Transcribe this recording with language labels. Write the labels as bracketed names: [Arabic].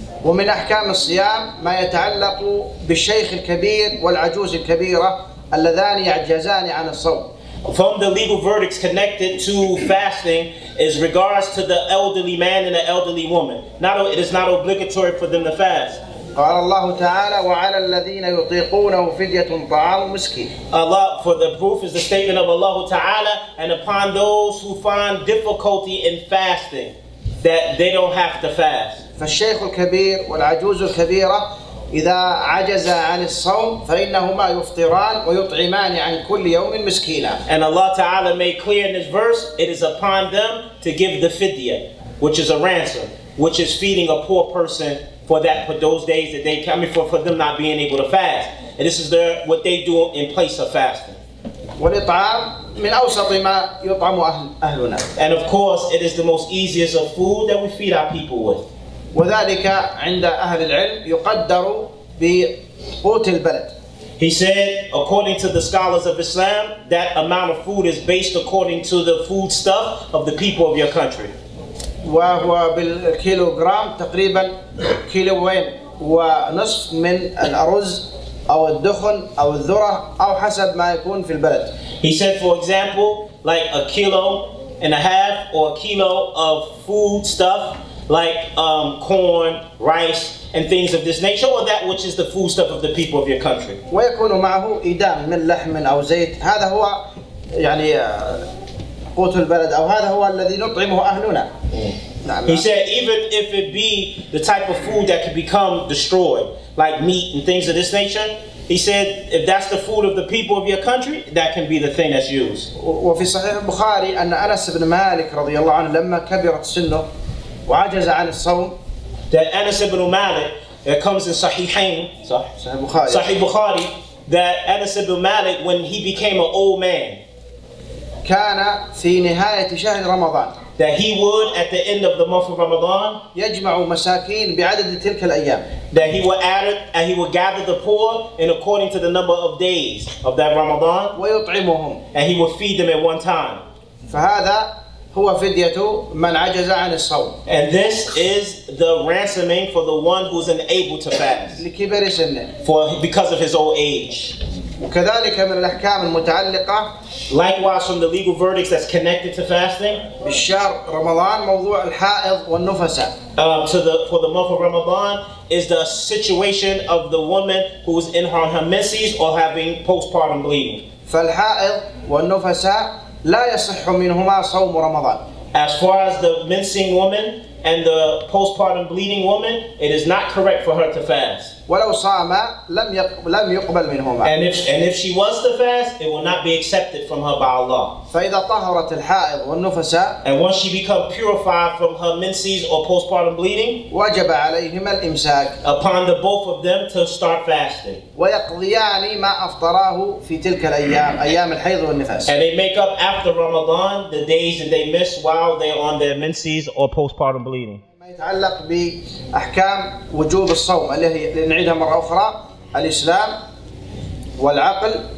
[Arabic] ومن أحكام الصيام ما يتعلق بالشيخ الكبير والعجوز الكبيرة اللذان يعجزان عن الصوم. [English] From the legal verdicts connected to fasting is regards to the elderly man and the elderly woman. It is not obligatory for them to fast. [Arabic] قال الله تعالى وعلى الذين يطيقونه فدية طعام مسكين. [English] Allah, for the proof is the statement of Allah تعالى, and upon those who find difficulty in fasting, that they don't have to fast. [Arabic] فالشيخ الكبير والعجوز الكبيرة إذا عجز عن الصوم فإنهما يفطران ويطعمان عن كل يوم مسكينا. [English] And Allah Ta'ala made clear in this verse, it is upon them to give the fidya, which is a ransom, which is feeding a poor person for those days that they come for them not being able to fast. And this is what they do in place of fasting. [Arabic] والإطعام من أوسط ما يطعم أهلنا. [English] And of course, it is the most easiest of food that we feed our people with. [Arabic] وذلك عند أهل العلم يقدر بقوت البلد. [English] He said, according to the scholars of Islam, that amount of food is based according to the food stuff of the people of your country. [Arabic] وهو بالكيلوغرام تقريبا كيلوين ونصف من الأرز أو الدخن أو الذرة أو حسب ما يكون في البلد. [English] He said, for example, like a kilo and a half or a kilo of food stuff, like corn, rice, and things of this nature, or that which is the foodstuff of the people of your country. [Arabic] ويكون معه إدام من لحم أو زيت. هذا هو يعني قوت البلد أو هذا هو الذي نطعمه أهلنا. [English] He said, even if it be the type of food that could become destroyed, like meat and things of this nature, he said, if that's the food of the people of your country, that can be the thing that's used. [Arabic] وفي صحيح البخاري أن أنس بن مالك رضي الله عنه لما كبرت سنه وعجز عن الصوم. [English] That Anas ibn Malik, it comes in Sahihain, Sahih Bukhari, that Anas ibn Malik, when he became an old man, [Arabic] كان في نهاية شهر رمضان, [English] that he would, at the end of the month of Ramadan, [Arabic] يجمع مساكين بعدد تلك الأيام, [English] that he would add and he would gather the poor in according to the number of days of that Ramadan, [Arabic] ويطعمهم, [English] and he would feed them at one time. [Arabic] فهذا هو فدية من عجز عن الصوم. [English] And this is the ransoming for the one who's unable to fast. [Arabic] لكبر سنه. [English] Because of his old age. [Arabic] وكذلك من الأحكام المتعلقة. [English] Likewise from the legal verdicts that's connected to fasting. [Arabic] بالشهر رمضان موضوع الحائض والنفساء. [English] For the month of Ramadan is the situation of the woman who's in her menses or having postpartum bleeding. [Arabic] فالحائض والنفساء لا يصح منهما صوم رمضان. [English] As far as the menstruating woman and the postpartum bleeding woman, it is not correct for her to fast. [Arabic] ولو صام لم يقبل منهما. [English] And if she was to fast, it will not be accepted from her by Allah. [Arabic] فإذا طهرت الحائض والنفساء [English] and once she become purified from her menses or postpartum bleeding [Arabic] وجب عليهما الإمساك [English] upon the both of them to start fasting [Arabic] ويقضيان ما أفطراه في تلك الأيام أيام الحيض والنفاس [English] and they make up after Ramadan the days that they miss while they're on their menses or postpartum bleeding [Arabic] ما يتعلق بأحكام وجوب الصوم اللي نعيدها مرة أخرى الإسلام والعقل